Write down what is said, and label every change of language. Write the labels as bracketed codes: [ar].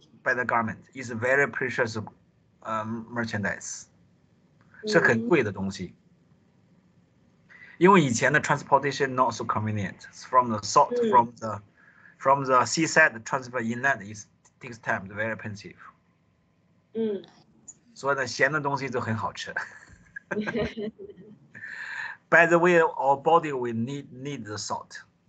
[en] By the government. It's very precious merchandise. [zh] 是很贵的东西。因为以前的 [en] transportation not so convenient. From the salt, from the seaside transfer inland takes time, very expensive. [zh] 所以呢，咸的东西就很好吃。 [en] By the way, our body we need the salt.